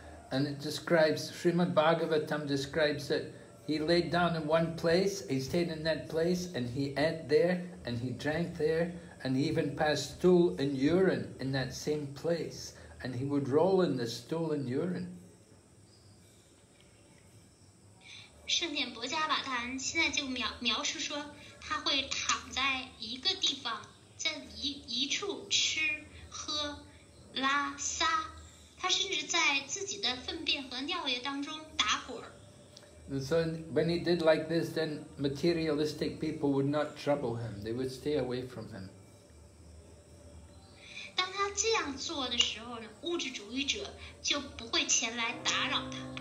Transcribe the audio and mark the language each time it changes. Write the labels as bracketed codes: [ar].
[en] And it describes, Srimad Bhagavatam describes that he laid down in one place, he stayed in that place, and he ate there, and he drank there, and he even passed stool and urine in that same place, and he would roll in the stool and urine. [zh] 圣典伯加瓦坛现在就 描述说他会躺在一个地方在 一处吃喝拉撒他甚至在自己的粪便和尿液当中打滚 [en] And so when he did like this then materialistic people would not trouble him they would stay away from him [zh] 当他这样做的时候呢物质主义者就不会前来打扰他